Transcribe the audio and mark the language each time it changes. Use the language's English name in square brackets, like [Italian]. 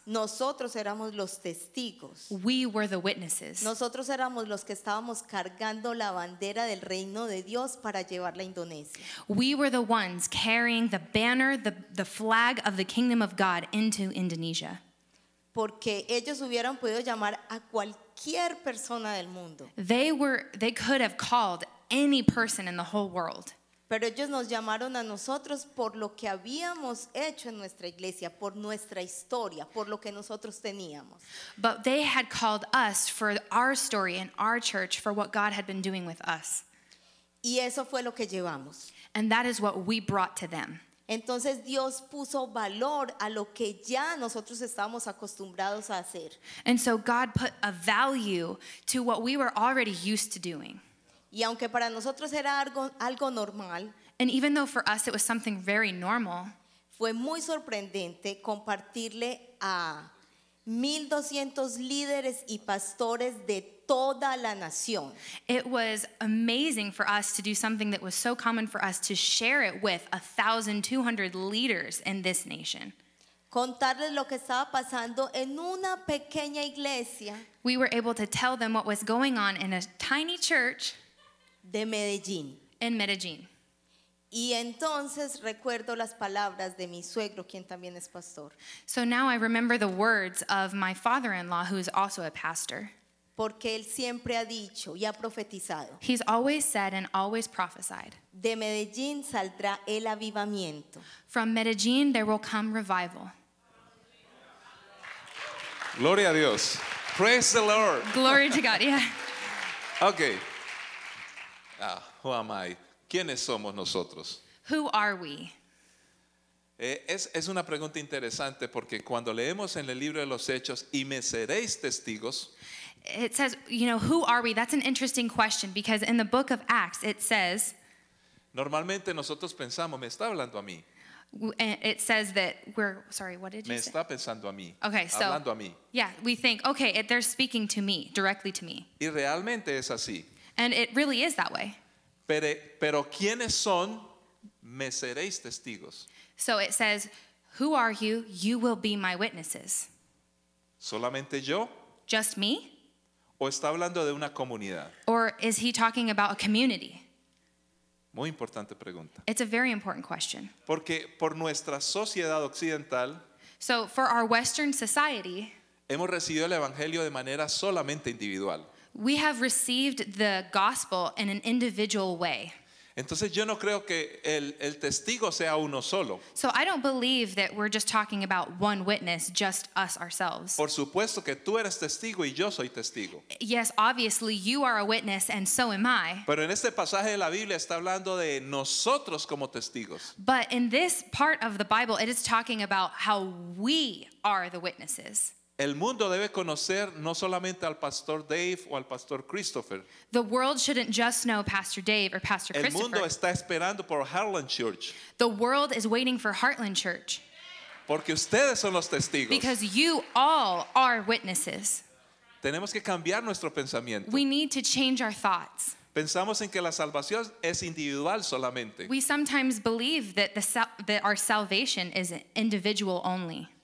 [Spanish] Nosotros éramos los testigos. [English] We were the witnesses. [Spanish] Nosotros éramos los que estábamos cargando la bandera del reino de Dios para llevarla a Indonesia. [English] We were the ones carrying the banner, the flag of the kingdom of God into Indonesia. [Spanish] Porque ellos hubieran podido llamar a cualquier persona del mundo. [English] They could have called any person in the whole world. [Spanish] Pero ellos nos llamaron a nosotros por lo que habíamos hecho en nuestra iglesia, por nuestra historia, por lo que nosotros teníamos. [English] But they had called us for our story and our church, for what God had been doing with us. [Spanish] Y eso fue lo que llevamos. [English] And that is what we brought to them. [Spanish] Entonces Dios puso valor a lo que ya nosotros estábamos acostumbrados a hacer. [English] And so God put a value to what we were already used to doing. [Spanish] Y aunque para nosotros era algo normal, [English] and even though for us it was something very normal, [Spanish] fue muy sorprendente compartirle a 1,200 líderes y pastores de toda la nación. [English] It was amazing for us to do something that was so common for us, to share it with 1,200 leaders in this nation. [Spanish] Contarles lo que estaba pasando en una pequeña iglesia. [English] We were able to tell them what was going on in a tiny church [Spanish] de Medellín. [English] In Medellín. [Spanish] Y entonces recuerdo las palabras de mi suegro, quien también es pastor. [English] So now I remember the words of my father-in-law, who is also a pastor. [Spanish] Porque él siempre ha dicho y ha profetizado. [English] He's always said and always prophesied. [Spanish] De Medellín saldrá el avivamiento. [English] From Medellín there will come revival. [Spanish] Gloria a Dios. [English] Praise the Lord. Glory to God, yeah. Okay. Who am I? [Spanish] ¿Quiénes somos nosotros? [English] Who are we? [Spanish] Es una pregunta interesante porque cuando leemos en el libro de los Hechos y me seréis testigos. [English] It says, you know, who are we? That's an interesting question because in the book of Acts it says. [Spanish] Normalmente nosotros pensamos, me está hablando a mí. [English] It says that we're, sorry, what did you me say? [Spanish] Me está pensando a mí. [English] Okay, so. [Spanish] Hablando a mí. [English] Yeah, we think, okay, they're speaking to me, directly to me. [Spanish] Y realmente es así. [English] And it really is that way. [Spanish] Pero ¿quiénes son? Me seréis testigos. [English] So it says, who are you? You will be my witnesses. [Spanish] ¿Solamente yo? [English] Just me? [Spanish] ¿O está hablando de una comunidad? [English] Or is he talking about a community? [Spanish] Muy importante pregunta. [English] It's a very important question. [Spanish] Porque por nuestra sociedad occidental. [English] So for our Western society. [Spanish] Hemos recibido el evangelio de manera solamente individual. [English] We have received the gospel in an individual way. [Spanish] Entonces yo no creo que el testigo sea uno solo. [English] So I don't believe that we're just talking about one witness, just us ourselves. [Spanish] Por supuesto que tú eres testigo y yo soy testigo. [English] Yes, obviously you are a witness and so am I. [Spanish] Pero en este pasaje de la Biblia está hablando de nosotros como testigos. [English] But in this part of the Bible it is talking about how we are the witnesses. [Spanish] El mundo debe conocer no solamente al Pastor Dave o al Pastor Christopher. [English] The world shouldn't just know Pastor Dave or Pastor Christopher. [Spanish] El mundo está esperando por Heartland Church. [English] The world is waiting for Heartland Church. [Spanish] Porque ustedes son los testigos. [English] Because you all are witnesses. [Spanish] Tenemos que cambiar nuestro pensamiento. [English] We need to change our thoughts. [Spanish] Pensamos en que la salvación es individual solamente. [English] We sometimes believe that our salvation is individual only.